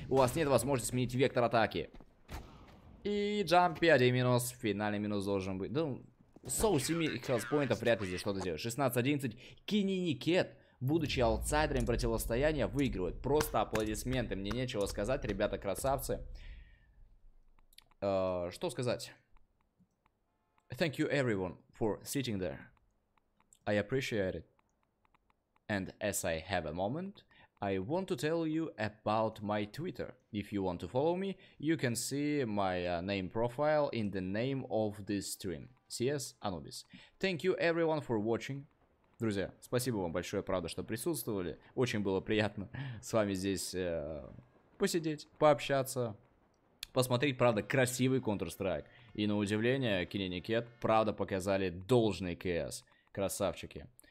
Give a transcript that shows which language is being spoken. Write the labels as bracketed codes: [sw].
[ru] У вас нет возможности сменить вектор атаки. И джампи, один минус, финальный минус должен быть. Ну, соус, 7 хелспоинтов, вряд ли здесь что-то сделаешь. 16-11, Кенникет, будучи аутсайдером противостояния, выигрывает. Просто аплодисменты, мне нечего сказать, ребята красавцы. Что сказать? [en] Thank you everyone for sitting there. I appreciate it. And as I have a moment, I want to tell you about my Twitter. If you want to follow me, you can see my name profile in the name of this stream. CS Anubis. Thank you everyone for watching. [ru] Друзья, спасибо вам большое, правда, что присутствовали. Очень было приятно с вами здесь посидеть, пообщаться. Посмотреть, правда, красивый Counter-Strike. И на удивление, Кенникет, правда, показали должный КС. Красавчики.